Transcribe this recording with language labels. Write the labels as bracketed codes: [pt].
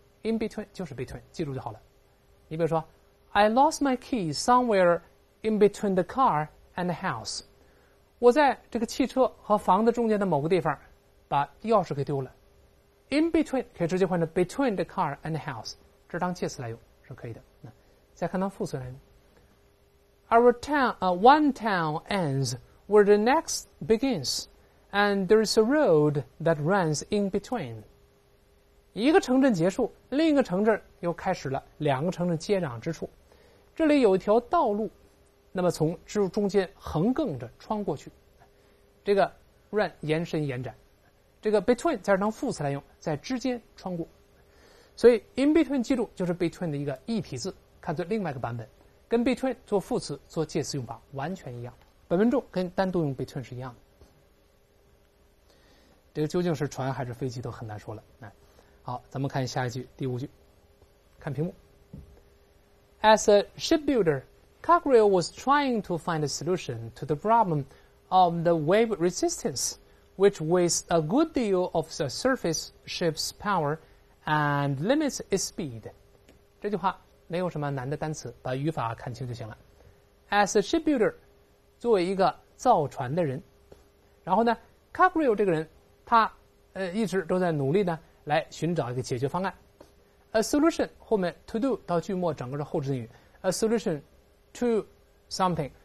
[en] In between [zh] 就是 [en] between， [zh] 记住就好了。你比如说 [en] ，I lost my key somewhere in between the car and the house。 [zh] 我在这个汽车和房子中间的某个地方把钥匙给丢了。 In between 可以直接换成 [en] between the car and the house， [zh] 这当介词来用是可以的。再看它副词来用。 [en] One town ends where the next begins, and there is a road that runs in between. [zh] 一个城镇结束，另一个城镇又开始了，两个城镇接壤之处，这里有一条道路，那么从中间横亘着穿过去。这个 run 延伸延展，这个 between 在这当副词来用，在之间穿过。所以 in between 记住就是 between 的一个异体字，看作另外一个版本。跟 between 做副词做介词用法完全一样，本文中跟单独用 between 是一样的。这个究竟是船还是飞机都很难说了。好，咱们看下一句，第五句，看屏幕。 [en] As a shipbuilder, Cockrell was trying to find a solution to the problem of the wave resistance, which weighs a good deal of the surface ship's power and limits its speed. [zh] 这句话没有什么难的单词，把语法看清就行了。 [en] As a shipbuilder， [zh] 作为一个造船的人，然后呢 ，Cockrell 这个人，他一直都在努力呢，来寻找一个解决方案。 A solution 后面 to do 到句末整个是后置定语 ， [en] a solution to something